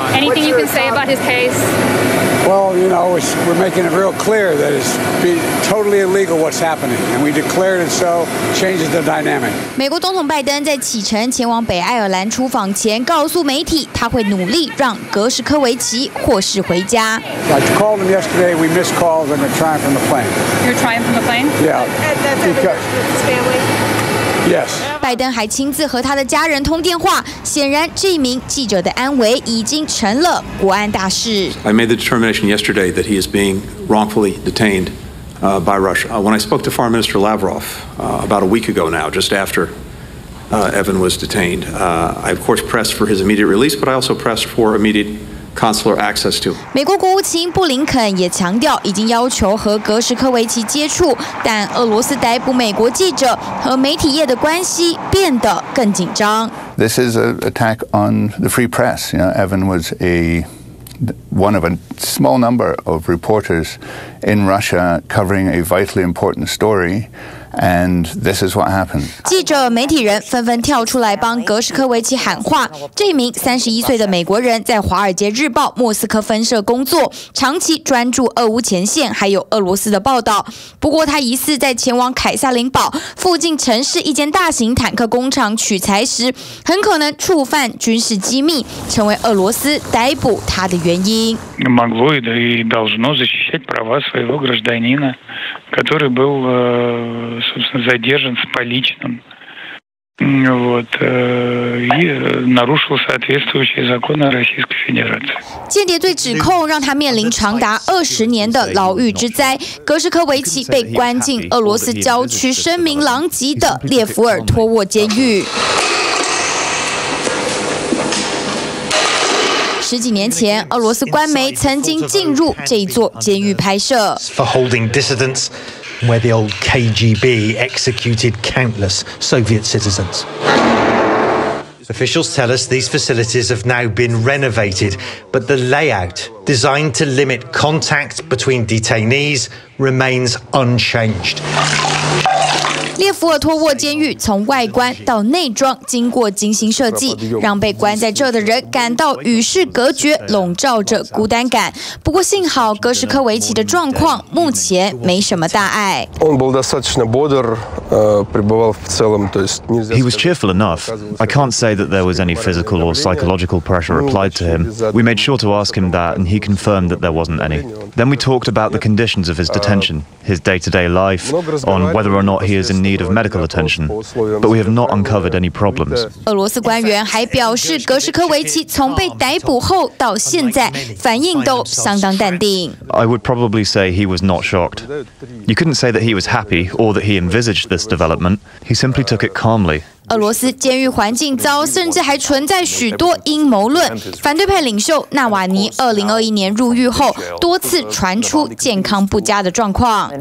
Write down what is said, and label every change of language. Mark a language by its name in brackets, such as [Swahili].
[English] Anything you can say about his case? Well, you know, we're making it real clear that it's totally illegal what's happening, and we declared it so changes the dynamic. [Chinese] 美国总统拜登在启程前往北爱尔兰出访前告诉媒体，他会努力让格什科维奇获释回家。 [English] I called him yesterday. We missed calls, and we're trying from the plane. You're trying from the plane? Yeah. Yes. [Chinese] 拜登还亲自和他的家人通电话，显然这名记者的安危已经成了国安大事。 [English] I made the determination yesterday that he is being wrongfully detained by Russia. When I spoke to Foreign Minister Lavrov about a week ago now, just after Evan was detained, I of course pressed for his immediate release, but I also pressed for immediate consular access to. [Chinese] 美国国务卿布林肯也强调，已经要求和格什科维奇接触，但俄罗斯逮捕美国记者和媒体业的关系变得更紧张。 [English] This is an attack on the free press. You know, Evan was one of a small number of reporters in Russia covering a vitally important story. And this is what happened. [Chinese] 记者、媒体人纷纷跳出来帮格什科维奇喊话。这名31岁的美国人在《华尔街日报》莫斯科分社工作，长期专注俄乌前线还有俄罗斯的报道。不过，他疑似在前往凯撒林堡附近城市一间大型坦克工厂取材时，很可能触犯军事机密，成为俄罗斯逮捕他的原因。 [Russian] Могло и должно защищать права своего гражданина. который был, собственно, задержан с поличным, вот, и нарушил соответствующие законы Российской Федерации. [Chinese] 间谍罪指控让他面临长达20年的牢狱之灾。格什科维奇被关进俄罗斯郊区声名狼藉的列夫尔托沃监狱。十几年前，俄罗斯官媒曾经进入这一座监狱拍摄。 [English] For holding dissidents, where the old KGB executed countless Soviet citizens. Officials tell us these facilities have now been renovated, but the layout, designed to limit contact between detainees, remains unchanged. [Chinese] 列夫尔托沃监狱从外观到内装经过精心设计，让被关在这的人感到与世隔绝，笼罩着孤单感。不过幸好格什科维奇的状况目前没什么大碍。 [Russian] Он был достаточно бодр, пребывал в целом, то есть нельзя. [English] He was cheerful enough. I can't say that there was any physical or psychological pressure applied to him. We made sure to ask him that, and he confirmed that there wasn't any. Then we talked about the conditions of his detention, his day-to-day life, on whether or not he is in need. need of medical attention, but we have not uncovered any problems. [Chinese] 俄罗斯官员还表示，格什科维奇从被逮捕后到现在反应都相当淡定。 [English] I would probably say he was not shocked. You couldn't say that he was happy or that he envisaged this development. He simply took it calmly. [Chinese] 俄罗斯监狱环境糟，甚至还存在许多阴谋论。反对派领袖纳瓦尼 2021年入狱后，多次传出健康不佳的状况。And